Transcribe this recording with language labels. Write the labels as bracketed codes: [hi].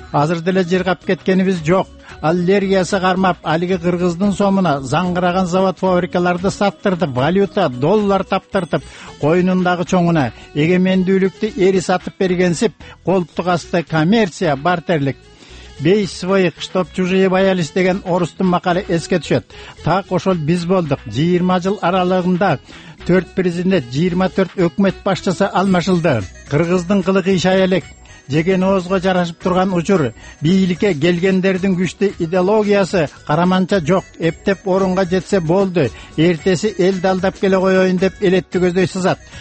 [ky] Азыр деле жыргап кеткенибиз жок. Аллергиясы кармап, алги кыргыздын сомуна заңгыраган завод фабрикаларды саттырды, валюта доллар таптыртып, койнундагы чоңуна эгемендүүлүктү эри сатып бергенсип, колтук асты коммерция, бартерлик. [ru] Бей своих, чтоб чужие боялись [ky] деген орустун макалы эске түшөт. Так ошол биз болдук. 20 жыл аралыгында 4 президент, 24 өкмөт башчысы алмашылды. Кыргыздын кылыгы ишай элек. Жеген оозго жарашып турган учур, бийликке келгендердин күчтүү идеологиясы караманча жок, эптеп орунга жетсе болду, эртеси элди алдап келе коеюн деп элетти көздөй сызат.